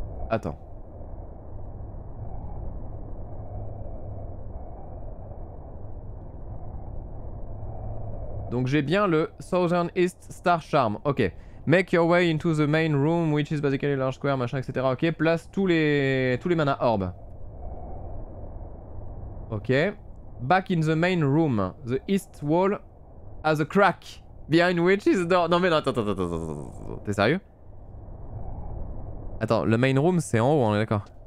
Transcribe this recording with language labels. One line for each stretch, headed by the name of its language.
French: Attends. Donc j'ai bien le Southern East Star Charm. Ok.
English: Make your way into the main room, which is basically a large square,
French: machin, etc. Ok, place tous les mana orbes.
English: Ok. Back in the main room, the east wall has a crack behind which is the door.
French: Non mais non, attends. T'es sérieux? Attends, le main room c'est en haut, on est d'accord?